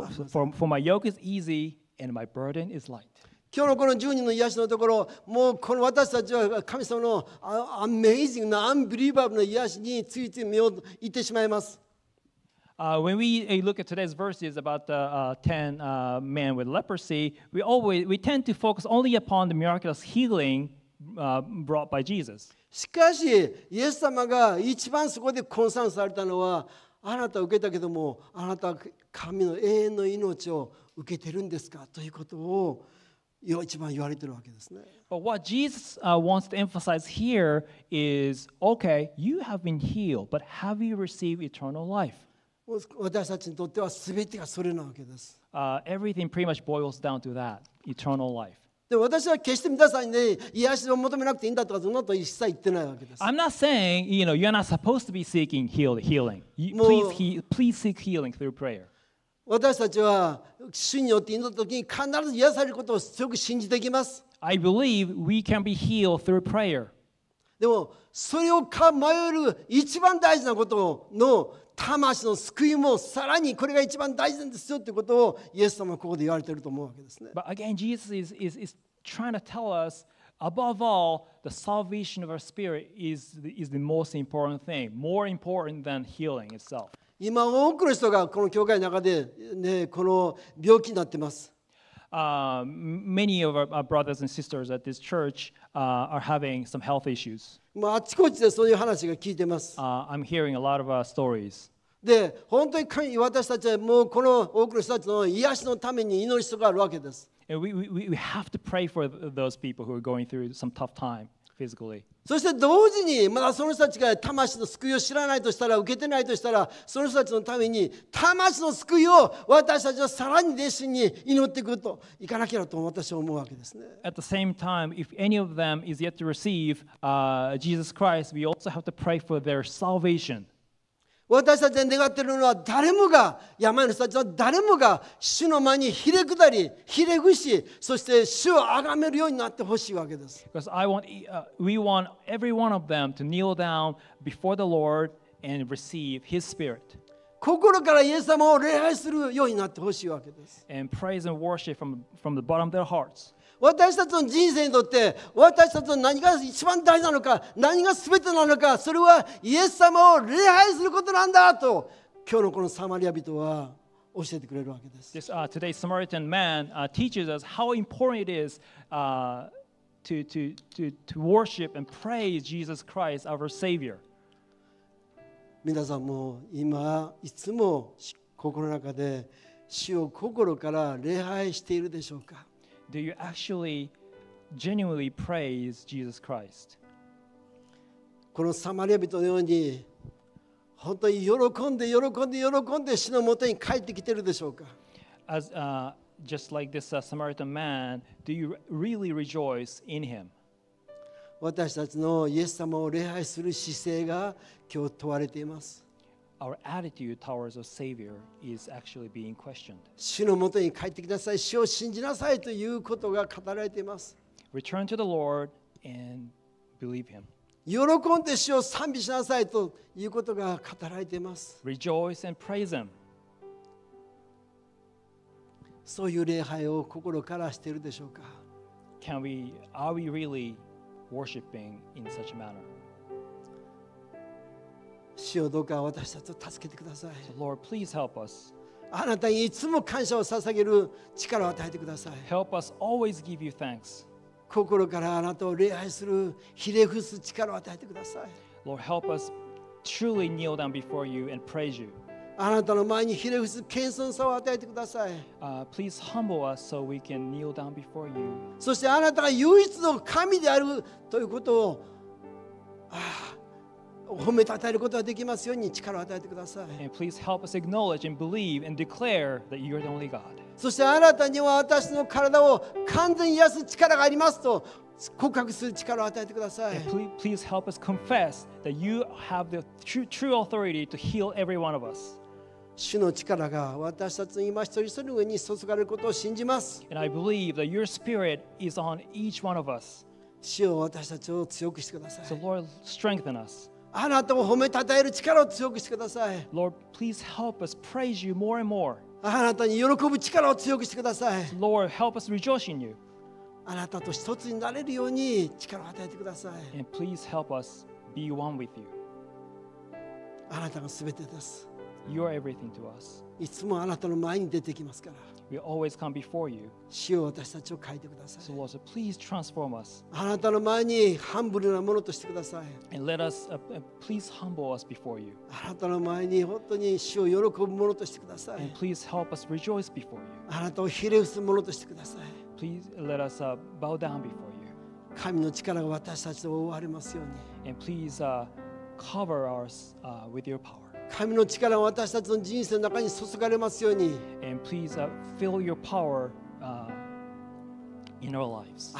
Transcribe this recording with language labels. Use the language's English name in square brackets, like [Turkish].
[English] For my yoke is easy and my burden is light. [Japanese] 今日のこの10人の癒しのところ、もうこの私たちは神様のアメイジングな、アンビリーバブルな癒しについて目をいってしまいます。 [English] When we look at today's verses about the 10 men with leprosy, we tend to focus only upon the miraculous healing brought by Jesus. [Japanese] しかし、イエス様が一番そこでコンサートされたのは、あなたは受けたけども、あなたは神の永遠の命を受けてるんですかということを一番言われてるわけですね。 [English] But what Jesus wants to emphasize here is, okay, you have been healed, but have you received eternal life? [Japanese] 私たちにとっては全てがそれなわけです。 [English] Everything pretty much boils down to that, eternal life. [Japanese] で、私は決して皆さんに、ね、癒しを求めなくていいんだとかそんなと一切言ってないわけです。 [English] I'm not saying, you know, you're not supposed to be seeking healing. Please seek healing through prayer. [Japanese] 私たちは主によって祈った時に必ず癒されることを強く信じていきます。 [English] I believe we can be healed through prayer. [Japanese] でもそれを迷える一番大事なことの魂の救いもさらにこれが一番大事なんですよということをイエス様はここで言われていると思うわけですね。 [English] But again, Jesus is trying to tell us, above all, the salvation of our spirit is the most important thing, more important than healing itself. [Japanese] 今多くの人がこの教会の中で、ね、この病気になっています。 [English] Many of our brothers and sisters at this church are having some health issues. [Japanese] まあ、あちこちでそういう話が聞いてます。 [English] I'm hearing a lot of our stories. [Japanese] で、本当に私たちはもうこの多くの人たちの癒しのために祈る人があるわけです。 [English] And we have to pray for those people who are going through some tough time. Physically. [Japanese] そして同時にまだその人たちが魂の救いを知らないとしたら受けてないとしたらその人たちのために魂の救いを私たちはさらに熱心に祈っていくといかなきゃと私は思うわけですね。 [English] At the same time, if any of them is yet to receive Jesus Christ, we also have to pray for their salvation. [Japanese] 私たちが願っているのは誰もが病の人たちは誰もが主の前にひれ下りひれ伏しそして主を崇めるようになってほしいわけです。 [English] Because I want, we want every one of them to kneel down before the Lord and receive His Spirit. [Japanese] 心からイエス様を礼拝するようになってほしいわけです。 [English] And praise and worship from the bottom of their hearts. [Japanese] 私たちの人生にとって私たちの何が一番大事なのか何が全てなのかそれはイエス様を礼拝することなんだと今日のこのサマリア人は教えてくれるわけです。 [English] This, today's Samaritan man teaches us how important it is to worship and praise Jesus Christ our Savior. [Japanese] 皆さんも今いつも心の中で主を心から礼拝しているでしょうか。 [English] Do you actually genuinely praise Jesus Christ? [Japanese] このサマリア人のように本当に喜んで喜んで喜んで主のもとに帰ってきてるでしょうか? [English] As just like this Samaritan man, do you really rejoice in him? [Japanese] 私たちのイエス様を礼拝する姿勢が今日問われています。 [English] Our attitude towards our Savior is actually being questioned. [Japanese] 主のもとに帰ってきなさい、主を信じなさいということが語られています。 [English] Return to the Lord and believe Him. [Japanese] 喜んで主を賛美しなさいということが語られています。 [English] Rejoice and praise Him. [Japanese] そういう礼拝を心からしているでしょうか。 [English] Are we really worshiping in such a manner? [Japanese] 主よどうか私たちを助けてください。 [English] So、Lord, please help us. [Japanese] あなたにいつも感謝を捧げる力を与えてください。 [English] Help us always give you thanks. [Japanese] 心からあなたを礼拝するひれ伏す力を与えてください。 [English] Lord, help us truly kneel down before you and praise you. [Japanese] あなたの前にひれ伏す謙遜さを与えてください。 [English] Please humble us so we can kneel down before you. [Japanese] そしてあなたが唯一の神であるということを。褒めたたえることができますように力を与えてください。 [English] And please help us acknowledge and believe and declare that you are the only God. [Japanese] そしてあなたには私の体を完全に癒す力がありますと告白する力を与えてください。 [English] And please help us confess that you have the true authority to heal every one of us. [Japanese] 主の力が私たちの今一人一人の上に注がれることを信じます。 [English] And I believe that your spirit is on each one of us. [Japanese] 主よ私たちを強くしてください。 [English] So Lord, strengthen us. [Japanese] あなたを褒めたたえる力を強くしてください。 [English] Lord, please help us praise you more and more. [Japanese] あなたに喜ぶ力を強くしてください。 [English] Lord, help us rejoice in you. [Japanese] あなたと一つになれるように力を与えてください。 [English] And please help us be one with you. [Japanese] あなたが全てです。 [English] You are everything to us. [Japanese] いつもあなたの前に出てきますから。 [English] We always come before you. [Japanese] 主よ私たちを変えてください。 [English] So Lord, please transform us. [Japanese] あなたの前にハンブルなものとしてください。 [English] And let us, please humble us before you. [Japanese] あなたの前に本当に主を喜ぶものとしてください。 [English] And please help us rejoice before you. [Japanese] あなたをひれ伏すものとしてください。 [English] Please let us bow down before you. [Japanese] 神の力が私たちを覆われますように。 [English] And please cover us with your power. [Japanese] 神の力が私たちの人生の中に注がれますように。 [English] And please fill your power in our lives.